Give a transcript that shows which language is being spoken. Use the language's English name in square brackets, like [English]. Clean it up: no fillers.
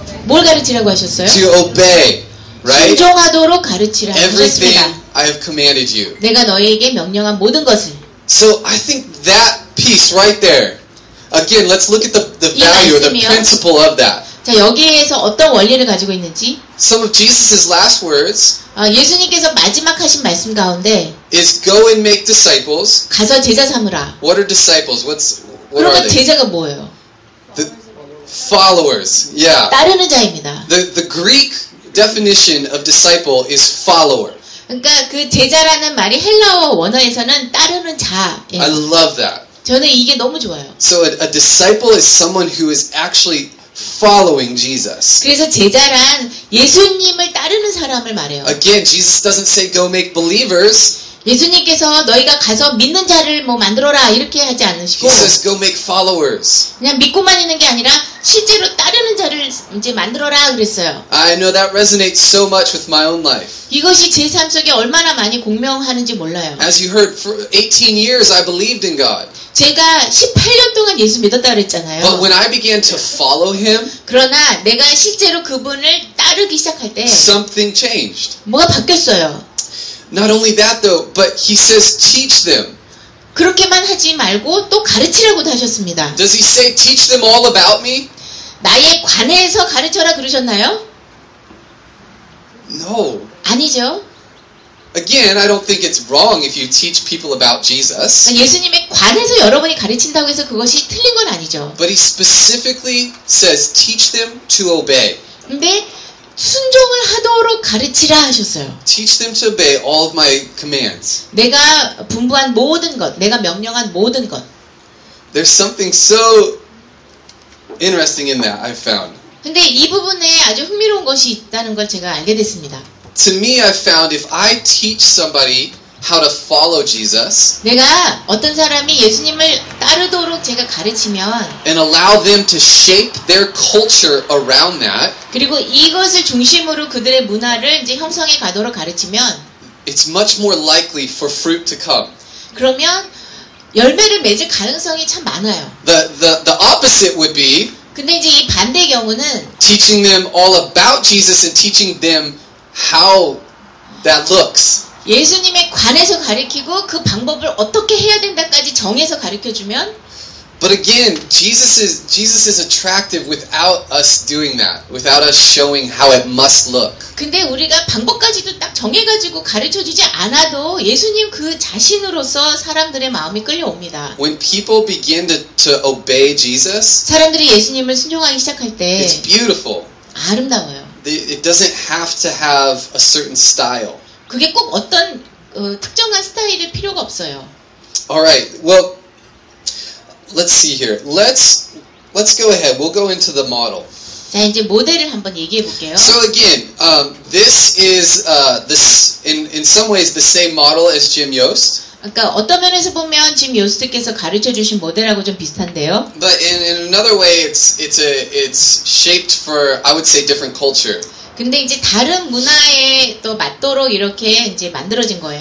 [Korean] 뭘 가르치라고 하셨어요? [English] To obey. Right? [Korean] 순종하도록 가르치라. [English] Everything I have commanded you. [Korean] 내가 너에게 명령한 모든 것을. [English] So I think that piece right there. Again, let's look at the value, the principle of that. [Korean] 자 여기에서 어떤 원리를 가지고 있는지 [English] Some of Jesus's last words [Korean] 예수님께서 마지막 하신 말씀 가운데 [English] is go and make disciples [Korean] 가서 제자 삼으라 [English] What are disciples? What's what [Korean] 그러면 [English] are they? [Korean] 제자가 뭐예요? [English] The followers. Yeah. [Korean] 따르는 자입니다. [English] The Greek definition of disciple is follower. [Korean] 그러니까 그 제자라는 말이 헬라어 원어에서는 따르는 자예요. [English] I love that. [Korean] 저는 이게 너무 좋아요. [English] So a disciple is someone who is actually following Jesus. [Korean] 그래서 제자란 예수님을 따르는 사람을 말해요. [English] Again, Jesus doesn't say go make believers. [Korean] 예수님께서 너희가 가서 믿는 자를 뭐 만들어라 이렇게 하지 않으시고 [English] He says go make followers. [Korean] 그냥 믿고만 있는 게 아니라 실제로 따르는 자를 이제 만들어라 그랬어요. [English] I know that resonates so much with my own life. [Korean] 이것이 제 삶 속에 얼마나 많이 공명하는지 몰라요. [English] As you heard for 18 years I believed in God. [Korean] 제가 18년 동안 예수 믿었다 그랬잖아요. [English] But when I began to follow him, [Korean] 그러나 내가 실제로 그분을 따르기 시작할 때 [English] something changed. [Korean] 뭐가 바뀌었어요? [English] Not only that though, but he says teach them. [Korean] 그렇게만 하지 말고 또 가르치라고도 하셨습니다. [English] Does he say teach them all about me? [Korean] 나에 관해서 가르쳐라 그러셨나요? [English] No. [Korean] 아니죠. [English] Again, I don't think it's wrong if you teach people about Jesus. [Korean] 예수님의 관해서 여러분이 가르친다고 해서 그것이 틀린 건 아니죠. [English] But he specifically says, teach them to obey. [Korean] 근데 순종을 하도록 가르치라 하셨어요. [English] Teach them to obey all of my commands. [Korean] 내가 분부한 모든 것, 내가 명령한 모든 것. [English] There's something so interesting in that I found. [Korean] 근데 이 부분에 아주 흥미로운 것이 있다는 걸 제가 알게 됐습니다. [English] To me, I found if I teach somebody how to follow Jesus, [Korean] 내가 어떤 사람이 예수님을 따르도록 제가 가르치면, [English] and allow them to shape their culture around that, [Korean] 그리고 이것을 중심으로 그들의 문화를 이제 형성해 가도록 가르치면, [English] it's much more likely for fruit to come. [Korean] 그러면 열매를 맺을 가능성이 참 많아요. [English] The opposite would be, [Korean] 근데 이제 이 반대 경우는, [English] teaching them all about Jesus and teaching them how that looks. [Korean] 예수님의 관해서 가르치고 그 방법을 어떻게 해야 된다까지 정해서 가르쳐 주면. [English] But again, Jesus is attractive without us doing that, without us showing how it must look. [Korean] 근데 우리가 방법까지도 딱 정해 가지고 가르쳐 주지 않아도 예수님 그 자신으로서 사람들의 마음이 끌려옵니다. [English] When people begin to obey Jesus, [Korean] 사람들이 예수님을 순종하기 시작할 때, [English] it's beautiful. [Korean] 아름다워요. [English] It doesn't have to have a certain style. [Korean] 그게 꼭 어떤 특정한 스타일이 필요가 없어요. [English] All right. Well, let's see here. Let's go ahead. We'll go into the model. [Korean] 자, 이제 모델을 한번 얘기해 볼게요. [English] So again, this is in some ways the same model as Jim Yost. [Korean] 그러니까 어떤 면에서 보면 지금 요스트께서 가르쳐 주신 모델하고 좀 비슷한데요. [English] But in another way, it's shaped for, I would say, different culture. [Korean] 근데 이제 다른 문화에 또 맞도록 이렇게 이제 만들어진 거예요.